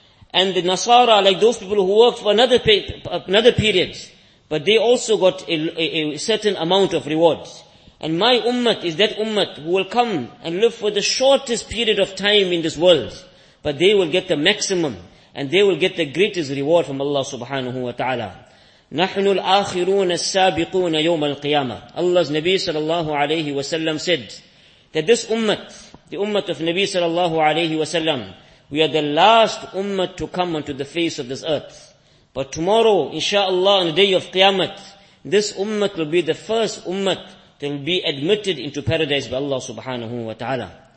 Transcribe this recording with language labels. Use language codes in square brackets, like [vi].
[en] And the Nasara, like those people who worked for another period, but they also got a certain amount of reward. And my ummah is that ummah who will come and live for the shortest period of time in this world, but they will get the maximum, and they will get the greatest reward from Allah subhanahu wa ta'ala. [ar] نحن الآخرون السابقون يوم القيامة. [en] Allah's Nabi sallallahu alayhi wa sallam said that this ummah, the ummah of Nabi sallallahu alayhi wa sallam, we are the last ummah to come onto the face of this earth. But tomorrow, inshaAllah, on the day of Qiyamah, this ummah will be the first ummah that will be admitted into paradise by Allah subhanahu wa ta'ala.